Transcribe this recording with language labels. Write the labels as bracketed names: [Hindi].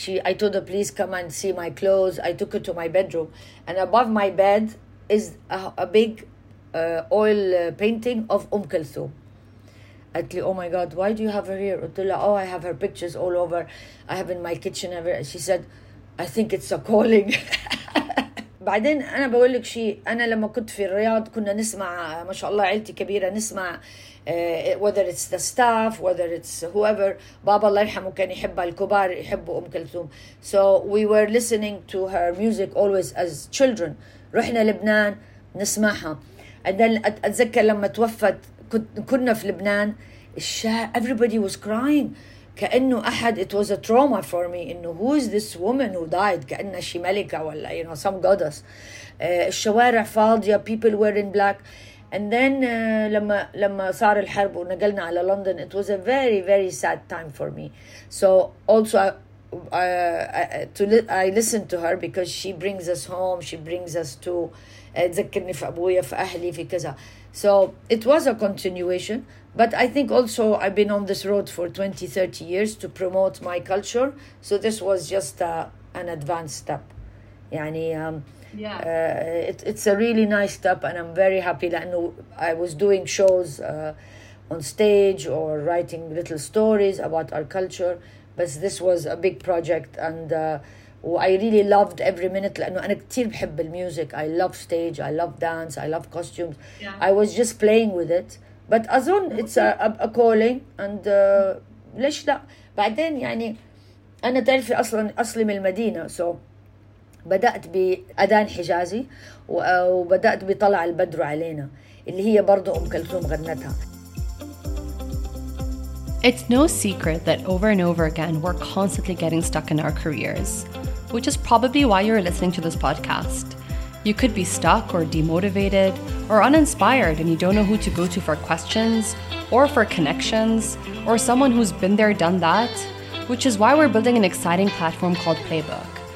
[English] I told her, please come and see my clothes. I took her to my bedroom, and above my bed is a big oil painting of Umm Kulthum. Atli, oh my God, why do you have her here? Utula, oh, I have her pictures all over. I have in my kitchen. She said, I think it's a calling. [Arabic] بعدين أنا بقول لك شيء, أنا لما كنت في الرياض كنا نسمع, ما شاء الله عيلتي كبيرة, نسمع [English] whether it's the staff, whether it's whoever. [Arabic] Baba الله يرحمه كان يحب الكبار يحب أم كلثوم. [English] So we were listening to her music always as children. [Arabic] رحنا لبنان نسمعها. [English] And then [Arabic] أتذكر لما توفت كنا في لبنان. [English] Everybody was crying. [Arabic] كأنه أحد, [English] it was a trauma for me. [Arabic] إنه [English] who is this woman who died? [Arabic] كأنها شي ملكة ولا [English] you know some goddess. [Arabic] الشوارع فاضية, [English] people were in black. And then [Arabic] لما صار الحرب ونقلنا على لندن, [English] it was a very very sad time for me. So also I listened to her because she brings us home, she brings us to [Arabic] تذكرني في أبويا في أهلي في كذا. [English] So it was a continuation, but I think also I've been on this road for 20, 30 years to promote my culture. So this was just an advanced step. [Arabic] يعني, [English] it's a really nice step, and I'm very happy that I was doing shows on stage or writing little stories about our culture. But this was a big project, and I really loved every minute. [Arabic] لأنه أنا كتير بحب الميوزك. [English] I love stage, I love dance, I love costumes. Yeah. I was just playing with it. [Arabic] But أظن [English] it's a calling, and [Arabic] ليش لا؟ بعدين يعني أنا تعرفي أصلاً أصلي من المدينة, so بدأت بأذان حجازي وبدأت بطلع البدر علينا اللي هي برضو أم كلثوم غنتها. [English] It's no secret that over and over again, we're constantly getting stuck in our careers, which is probably why you're listening to this podcast. You could be stuck or demotivated or uninspired and you don't know who to go to for questions or for connections or someone who's been there, done that, which is why we're building an exciting platform called Playbook.